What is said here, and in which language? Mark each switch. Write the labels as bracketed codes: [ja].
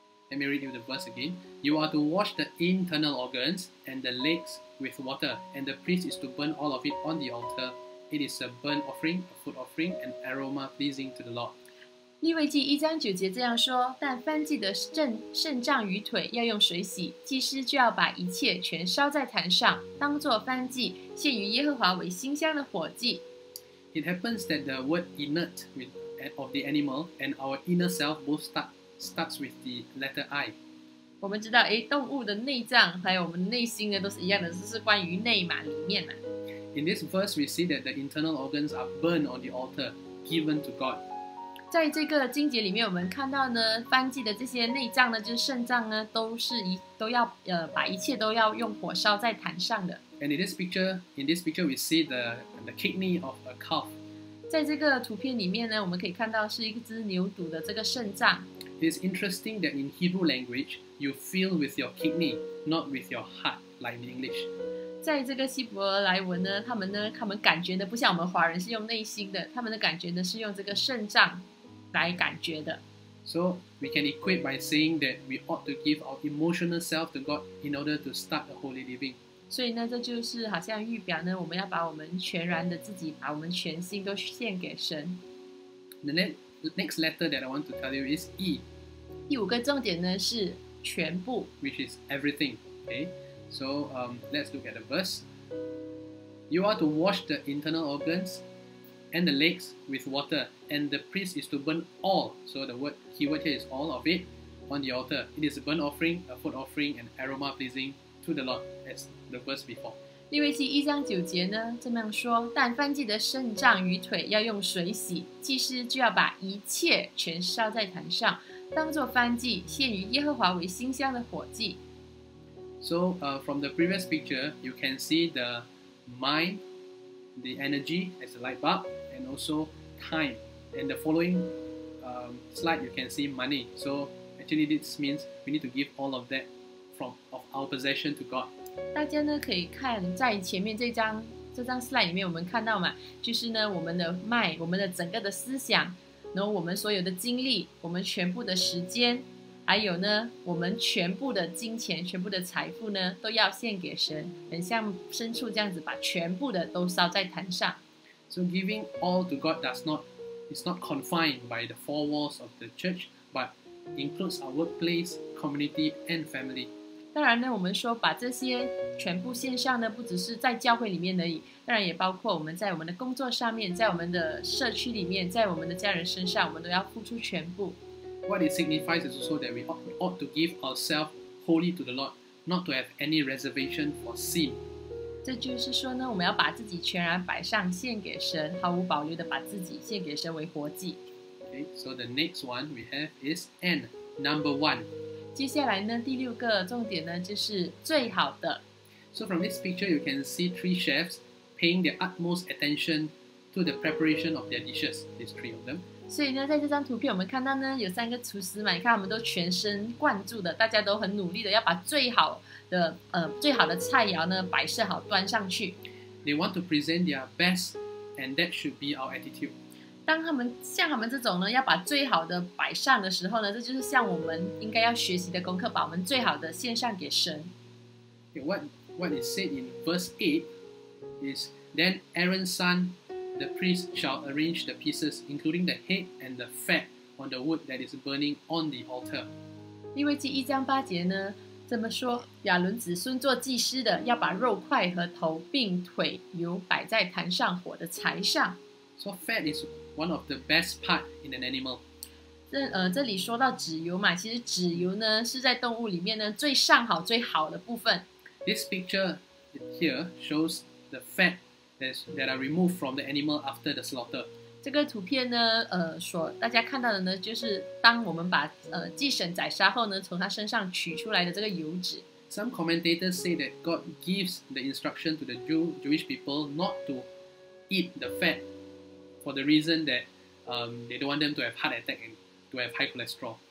[en] Let me read you the verse again. You are to wash the internal organs and the legs. With water, and the priest is to burn all of it on the altar. It is a burnt offering, a food offering, an aroma pleasing to the Lord. [zh] 利未记一章九节这样说：但燔祭的肾脏与腿要用水洗，祭司就要把一切全烧在坛上，当作燔祭，献于耶和华为馨香的火祭。 [en] It happens that the word "inert" of the animal and our inner self both starts with the letter I. [zh] 我们知道，哎，动物的内脏还有我们内心的都是一样的，这是关于内嘛，里面嘛。 [en] In this verse, we see that the internal organs are burned on the altar, given to God. [zh] 在这个经节里面，我们看到呢，燔祭的这些内脏呢，就是肾脏呢，都要把一切都要用火烧在坛上的。 [en] And in this picture, we see the kidney of a calf. [zh] 在这个图片里面呢，我们可以看到是一只牛犊的这个肾脏。 [en] It's interesting that in Hebrew language, you fill with your kidney, not with your heart, like in English. [zh] 在这个希伯来文呢，他们感觉的不像我们华人是用内心的，他们的感觉呢是用这个肾脏来感觉的。 [en] So we can equate by saying that we ought to give our emotional self to God in order to start a holy living. [zh] 所以呢，这就是好像预表呢，我们要把我们全然的自己，把我们全心都献给神。 [en] The next letter that I want to tell you is E. [zh] 第五个重点呢是全部 [en] ，which is everything. Okay, so let's look at the verse. You are to wash the internal organs and the legs with water, and the priest is to burn all. So the word keyword here is all of it on the altar. It is a burnt offering, a food offering, an aroma pleasing to the Lord, as the verse before. [zh] 利未记一章九节呢，这么样说：但燔祭的肾脏与腿要用水洗，祭司就要把一切全烧在坛上，当作燔祭，献于耶和华为馨香的火祭。 [en] So, from the previous picture, you can see the mind, the energy as a light bulb, and also time. And the following slide, you can see money. So, actually, actually this means we need to give all of that from of our possession to God. [zh] 大家呢可以看在前面这张 slide 里面，我们看到嘛，就是呢我们的脉，我们的整个的思想，然后我们所有的精力，我们全部的时间，还有呢我们全部的金钱，全部的财富呢，都要献给神，很像牲畜这样子，把全部的都烧在坛上。 [en] So giving all to God does not, it's not confined by the four walls of the church, but includes our workplace, community, and family. [zh] 当然呢，我们说把这些全部献上呢，不只是在教会里面而已，当然也包括我们在我们的工作上面，在我们的社区里面，在我们的家人身上，我们都要付出全部。 [en] What it signifies is also that we ought to give ourselves wholly to the Lord, not to have any reservation for sin. [zh] 这就是说呢，我们要把自己全然摆上，献给神，毫无保留的把自己献给神为活祭。 [en] Okay, so the next one we have is N, number one. [zh] 接下来呢，第六个重点呢，就是最好的。 [en] So from this picture, you can see three chefs paying their utmost attention to the preparation of their dishes. These three of them. [zh] 所以呢，在这张图片我们看到呢，有三个厨师嘛，你看他们都全神贯注的，大家都很努力的要把最好的菜肴呢摆设好端上去。 [en] They want to present their best, and that should be our attitude. [zh] 当他们像他们这种呢，要把最好的摆上的时候呢，这就是像我们应该要学习的功课，把我们最好的献上给神。 [en] Okay, what is said in verse 8 is then Aaron's son. The priest shall arrange the pieces, including the head and the fat, on the wood that is burning on the altar. [zh] 利未记一章八节呢，这么说：亚伦子孙做祭司的，要把肉块和头并腿油摆在坛上火的柴上。 [en] So fat is one of the best part in an animal. [zh] 这里说到脂油嘛，其实脂油呢是在动物里面呢最上好最好的部分。 [en] This picture here shows the fat. That are removed from the animal after the slaughter. [zh] 这个图片呢，所大家看到的呢，就是当我们把祭牲宰杀后呢，从它身上取出来的这个油脂。 [en] Some commentators say that God gives the instruction to the Jewish people not to eat the fat for the reason that they don't want them to have heart attack and to have high cholesterol.